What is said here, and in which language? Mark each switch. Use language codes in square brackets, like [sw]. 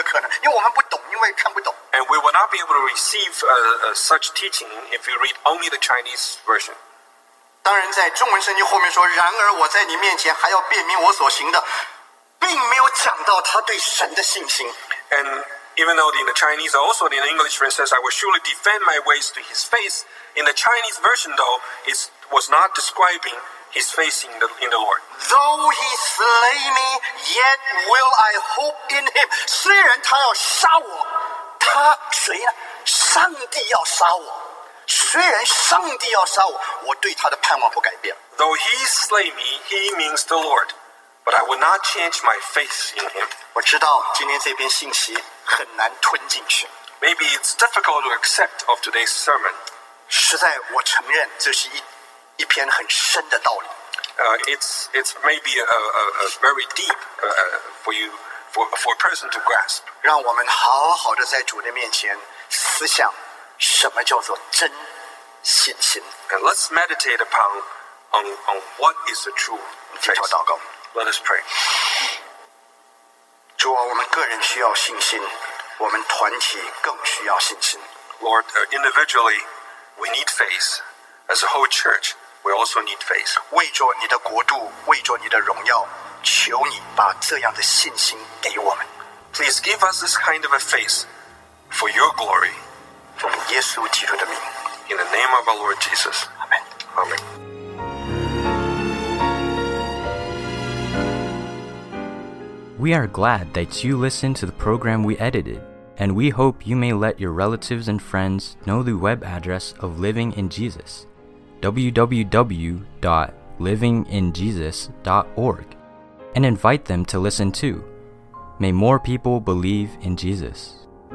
[zh] 所以我们读中文圣经的基督徒就没有这种信心的可能，因为我们不懂，因为看不懂。 [en] And we will not be able to receive such teaching if you read only the Chinese version. [zh] 当然在中文圣经后面说，然而我在你面前还要辩明我所行的，并没有讲到他对神的信心。 [en] And even though in the Chinese, also in the English version says, I will surely defend my ways to his face. In the Chinese version, though, it was not describing his face in the Lord. Though he slay me, yet will I hope in him. [zh] 虽然他要杀我，他谁呀？上帝要杀我。虽然上帝要杀我，我对他的盼望不改变。 [en] Though he slay me, he means the Lord, but I will not change my faith in him. [zh] 我知道今天这篇信息很难吞进去。 [en] Maybe it's difficult to accept of today's sermon. [zh] 实在，我承认这是一篇很深的道理。 [en] It's maybe a very deep for a person to grasp. [zh] 让我们好好的在主的面前思想。什么叫做真信心 [en] ？And let's meditate upon on what is the true faith. [zh] 低头祷告。 [en] Let us pray. [zh] 主啊，我们个人需要信心，我们团体更需要信心。 [en] Lord, individually, we need faith. As a whole church, we also need faith. [zh] 为着你的国度，为着你的荣耀，求你把这样的信心给我们。 [en] Please give us this kind of a faith for your glory. In the name of our Lord Jesus. Amen. Amen. We are glad that you listened to the program we edited, and we hope you may let your relatives and friends know the web address of Living in Jesus, www.livinginjesus.org, and invite them to listen too. May more people believe in Jesus.